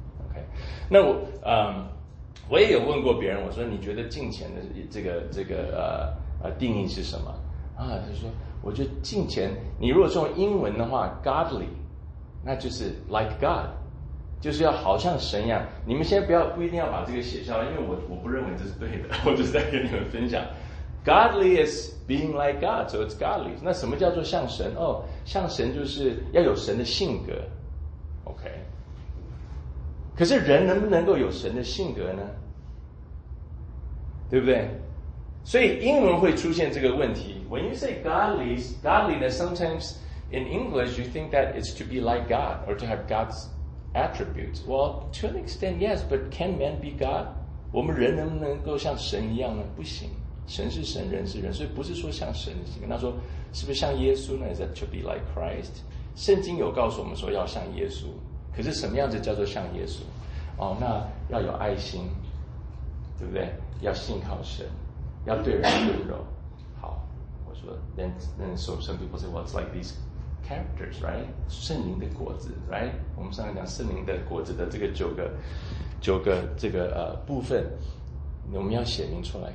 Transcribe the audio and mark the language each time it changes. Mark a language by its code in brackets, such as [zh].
[zh] OK， 那我也有问过别人，我说你觉得敬虔的这个定义是什么啊？他说我觉得敬虔，你如果用英文的话 Godly， 那就是 [en] like God， [zh] 就是要好像神一样。你们先不要，不一定要把这个写下来，因为我不认为这是对的，我就是在跟你们分享。 [en] Godly is being like God, so it's godly. [zh] 那什么叫做像神？哦，像神就是要有神的性格。 OK。可是人能不能够有神的性格呢？对不对？所以英文会出现这个问题。 [en] When you say godliness, sometimes in English you think that it's to be like God or to have God's attributes. Well, to an extent, yes, but can man be God? [zh] 我们人能不能够像神一样呢？不行。神是神，人是人，所以不是说像神。那说是不是像耶稣呢？ [en] Is that to be like Christ? [zh] 圣经有告诉我们说要像耶稣，可是什么样子叫做像耶稣？哦，那要有爱心，对不对？要信靠神，要对人温柔。好，我说 [en] then so some people say, well, it's like these characters, right? [zh] 圣灵的果子， right? 我们上来讲圣灵的果子的这个九个这个部分，我们要写明出来。